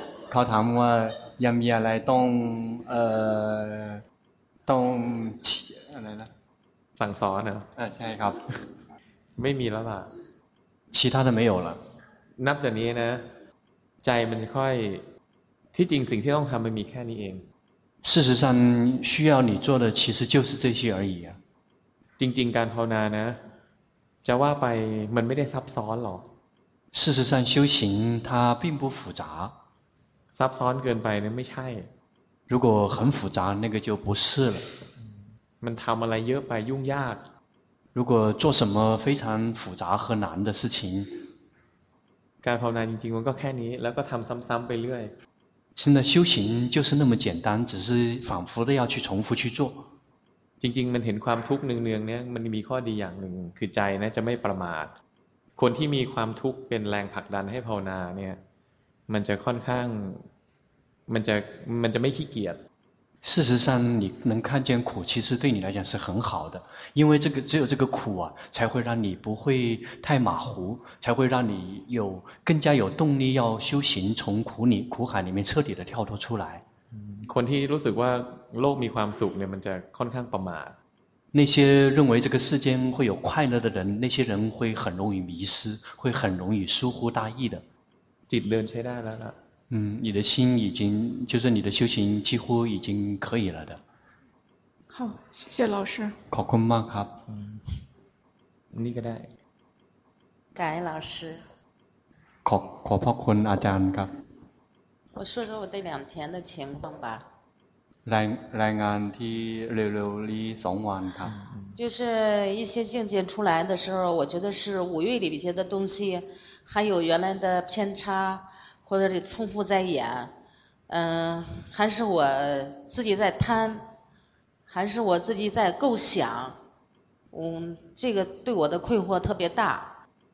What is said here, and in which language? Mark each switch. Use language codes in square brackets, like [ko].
[th] เขาถามว่ายังมีอะไรต้องอะไรนะ สั่งสอนเหรอ ใช่ครับ ไม่มีแล้วล่ะ [zh] 其他的没有了 [th] นับจากนี้นะใจมันจะค่อยที่จริงสิ่งที่ต้องทำมันมีแค่นี้เอง [zh] 事实上需要你做的其实就是这些而已啊 [th] จริงๆการภาวนานะจะว่าไปมันไม่ได้ซับซ้อนหรอก [zh] 事实上修行它并不复杂 [th] ซับซ้อนเกินไปนะไม่ใช่ [zh] 如果很复杂那个就不是了 [th] มันทำอะไรเยอะไปยุ่งยาก [zh] 如果做什么非常复杂和难的事情 [th] การภาวนาจริงๆมันก็แค่นี้แล้วก็ทำซ้ำๆไปเรื่อย [zh] 现在修行就是那么简单只是反复的要去重复去做 [th] จริงๆมันเห็นความทุกข์เนืองๆเนี่ยมันมีข้อดีอย่างหนึ่งคือใจนะจะไม่ประมาทคนที่มีความทุกข์เป็นแรงผลักดันให้ภาวนาเนี่ยมันจะค่อนข้างมันจะไม่ขี้เกียจ [zh] 事实上你能看见苦其实对你来讲是很好的因为这个只有这个苦啊才会让你不会太马虎才会让你有更加有动力要修行从苦海里面彻底的跳脱出来 [th] คนที่รู้สึกว่าโลกมีความสุขเนี่ยมันจะค่อนข้างประมาท [zh] 那些认为这个世间会有快乐的人那些人会很容易迷失会很容易疏忽大意的 [th] จิตเดินใช้ได้แล้วล่ะ [zh] 你的心已经就是你的修行几乎已经可以了的好谢谢老师 [th] ขอบคุณมากครับ นี่ก็ได้ [zh] 感恩老师 [th] ขอบคุณอาจารย์ครับ [zh] 我说说我这两天的情况吧 [th] รายงานที่เร็วๆนี้สองวันครับ [zh] 就是一些境界出来的时候我觉得是五蕴里边的东西还有原来的偏差或者重复在演还是我自己在贪还是我自己在构想这个对我的困惑特别大